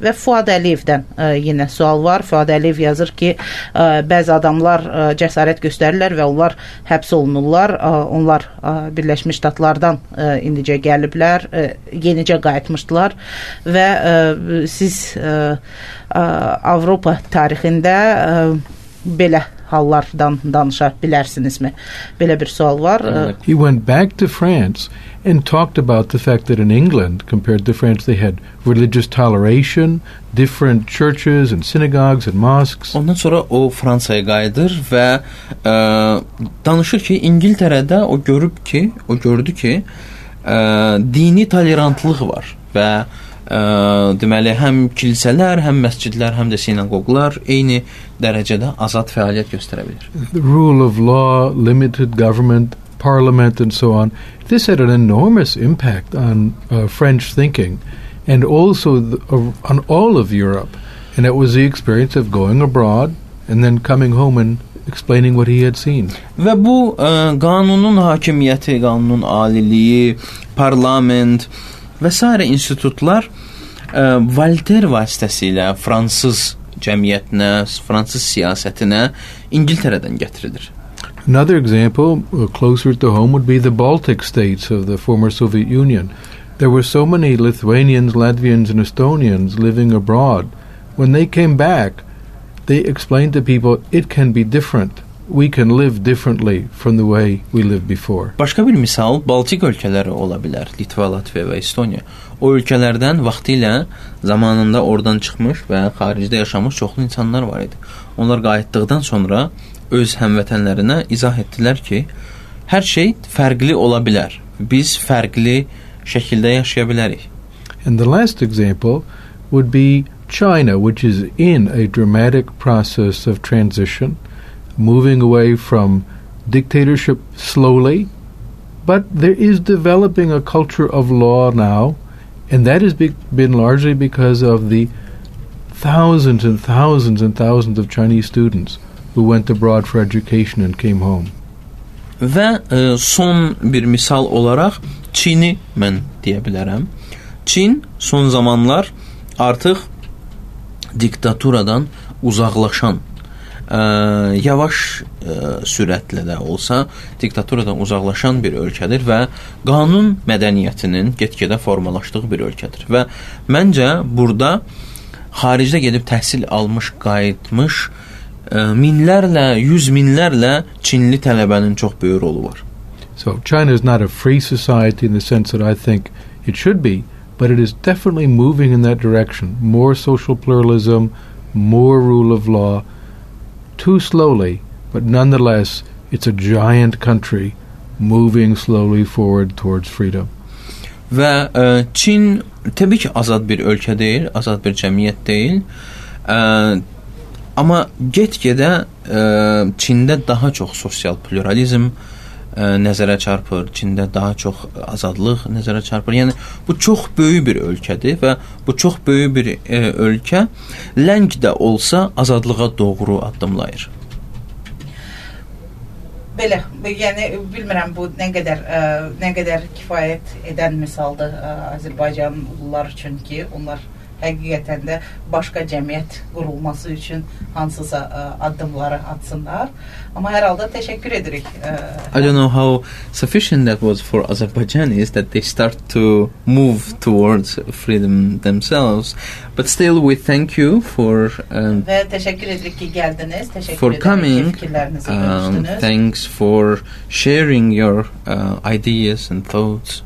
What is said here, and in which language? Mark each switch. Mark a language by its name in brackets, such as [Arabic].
[Azerbaijani] Və Fuad Əliyevdən yenə sual var. Fuad Əliyev yazır ki, bəzi adamlar cəsarət göstərirlər və onlar həbs olunurlar. Onlar Birləşmiş Ştatlardan indicə gəliblər, yenicə qayıtmışdılar və siz Avropa tarixində belə hallardan danışa bilərsinizmi? Belə bir sual var. [English] He went back to France and talked about the fact that in England, compared to France, they had religious toleration, different churches and synagogues and mosques. [Azerbaijani] Ondan sonra o Fransaya qayıdır və danışır ki, İngiltərədə o görüb ki, o gördü ki, dini tolerantlıq var və deməli, həm kilisələr, həm məscidlər, həm də sinagoglar eyni dərəcədə azad fəaliyyət göstərə bilir. [English] The rule of law, limited government, parliament and so on, this had an enormous impact on French thinking and also on all of Europe. And it was the experience of going abroad and then coming home and explaining what he had seen. [Azerbaijani] Və bu qanunun hakimiyyəti, qanunun aliliyi, parlament və s. institutlar Voltaire vasitəsilə Fransız cəmiyyətinə, Fransız siyasətinə İngiltərədən gətirilir. [English] Another example, closer to home, would be the Baltic states of the former Soviet Union. There were so many Lithuanians, Latvians, and Estonians living abroad. When they came back, they explained to people, it can be different. We can live differently from the way we lived before. [Azerbaijani] Başqa bir misal Baltik ölkələri ola bilər, Litva, Latviya və Estoniya. O ölkələrdən vaxtilə zamanında oradan çıxmış və xaricdə yaşamış çoxlu insanlar var idi. Onlar qayıtdıqdan sonra öz həmvətənlərinə izah etdilər ki, hər şey fərqli ola bilər. Biz fərqli şəkildə yaşaya bilərik. [English] And the last example would be China, which is in a dramatic process of transition, moving away from dictatorship slowly, but there is developing a culture of law now, and that has been largely because of the thousands and thousands and thousands of Chinese students who went abroad for education and came home. [Azerbaijani] Və son bir misal olaraq Çini mən deyə bilərəm. Çin son zamanlar artıq diktaturadan uzaqlaşan yavaş sürətlə də olsa diktaturadan uzaqlaşan bir ölkədir və qanun mədəniyyətinin get-gedə formalaşdığı bir ölkədir və məncə burada xaricdə gedib təhsil almış qayıtmış minlərlə, yüz minlərlə Çinli tələbənin çox böyük rolu var. [English] So China is not a free society in the sense that I think it should be, but it is definitely moving in that direction. More social pluralism, more rule of law, too slowly, but nonetheless, it's a giant country moving slowly forward towards freedom. [Azerbaijani] Və Çin təbii ki, azad bir ölkə deyil, azad bir cəmiyyət deyil. Amma get-gedə Çində daha çox sosial pluralizm nəzərə çarpır, Çində daha çox azadlıq nəzərə çarpır. Yəni, bu çox böyük bir ölkədir və bu çox böyük bir ölkə ləng də olsa azadlığa doğru addımlayır. Belə, yəni, bilmirəm bu nə qədər kifayət edən misaldır Azərbaycanlılar üçün ki, onlar həqiqətən də başqa cəmiyyət qurulması üçün hansısa addımları atsınlar. Amma hər halda təşəkkür edirik. [English] I don't know how sufficient that was for Azerbaijanis that they start to move towards freedom themselves. But still, we thank you for... [Azerbaijani] Və təşəkkür edirik ki, gəldiniz. Təşəkkür [English] for coming. Thanks for sharing your ideas and thoughts.